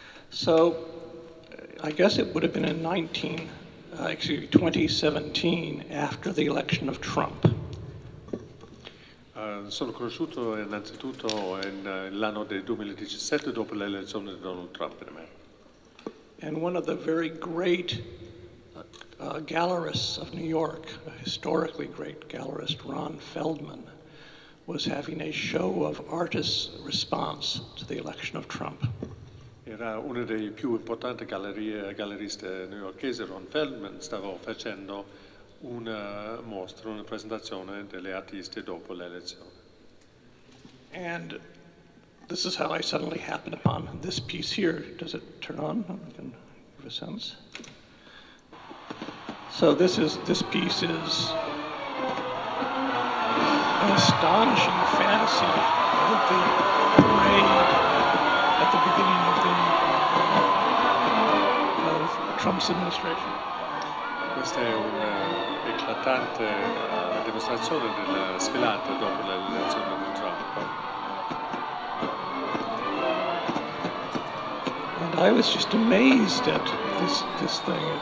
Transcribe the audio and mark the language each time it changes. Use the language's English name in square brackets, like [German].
[English] So I guess it would have been in 2017, after the election of Trump. [Italian] Sono conosciuto innanzitutto l'anno del 2017 dopo l'elezione di Donald Trump in America. [English] And one of the very great gallerists of New York, a historically great gallerist, Ron Feldman, was having a show of artists' response to the election of Trump. [Italian] Era uno dei più importanti galleristi newyorkesi, Ron Feldman, stava facendo una mostra, una presentazione delle artiste dopo l'elezione. [English] And this is how I suddenly happened upon this piece here. Does it turn on? I can give a sense. So this piece is an astonishing fantasy of the parade at the beginning of the Trump's administration. [Italian] Questa è un'eclatante dimostrazione della sfilata dopo l'elezione di Trump. [English] And I was just amazed at this thing.